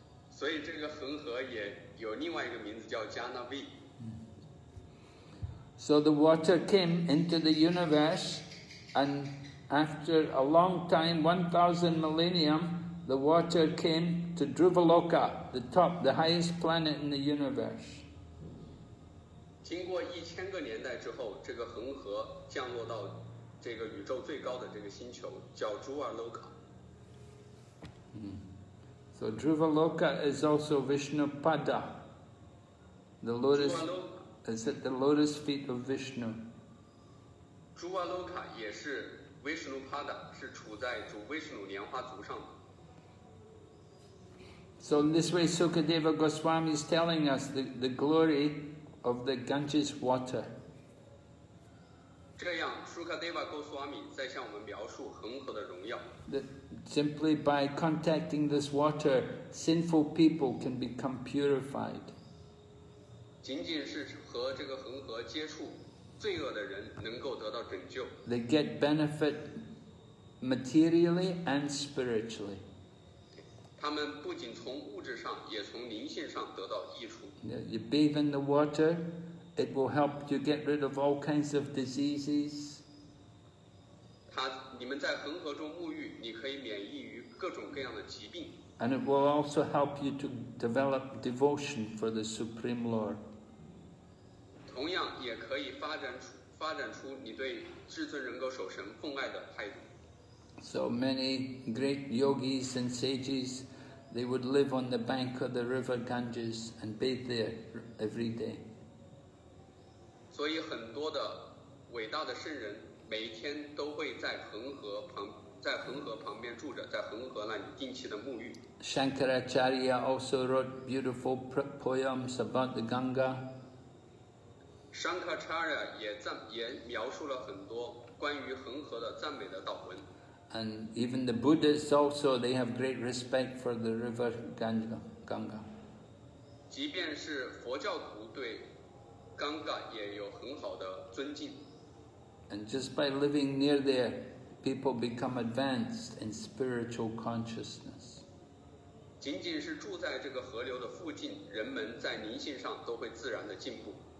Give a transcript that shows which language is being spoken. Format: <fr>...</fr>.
<zh>所以这个恒河也有另外一个名字叫加纳维。</zh> <en>So the water came into the universe, and after a long time, 1,000 millennium, the water came to Dhruvaloka, the top, the highest planet in the universe.</en> <zh>经过一千个年代之后，这个恒河降落到这个宇宙最高的这个星球，叫 Dhruvaloka。</zh> <en>So Dhruvaloka is also Vishnupada. The lotus is at the lotus feet of Vishnu.</en> <zh>Dhruvaloka 也是 Vishnupada, 是处在主 Vishnu 莲花足上。</zh> <en>So in this way, Sukadeva Goswami is telling us the glory of the Ganges water.</en> <zh>这样 ，Sukadeva Goswami 在向我们描述恒河的荣耀。</zh> <en>Simply by contacting this water, sinful people can become purified.</en> <zh>仅仅是和这个恒河接触，罪恶的人能够得到拯救。</zh> <en>They get benefit materially and spiritually.</en> <zh>他们不仅从物质上，也从灵性上得到益处。</zh> <en>You bathe in the water, it will help you get rid of all kinds of diseases.</en> <zh>你们在恒河中沐浴，你可以免疫于各种各样的疾病。</zh> <en>And it will also help you to develop devotion for the Supreme Lord.</en> <zh>同样也可以发展出你对至尊人格守神奉爱的态度。</zh> <en>So many great yogis and sages, they would live on the bank of the river Ganges and bathe there every day.</en> <zh>所以很多的伟大的圣人每一天都会在恒河旁边住着，在恒河那里定期的沐浴。</zh> <en>Shankaracharya also wrote beautiful poems about the Ganga.</en> <zh>Shankaracharya 也描述了很多关于恒河的赞美的祷文。</zh> <en>And even the Buddhists also, they have great respect for the river Ganga.</en> <zh>即便是佛教徒对 Ganga 也有很好的尊敬。</zh> <en>And just by living near there, people become advanced in spiritual consciousness.</en> <zh>仅仅是住在这个河流的附近，人们在灵性上都会自然的进步。</zh>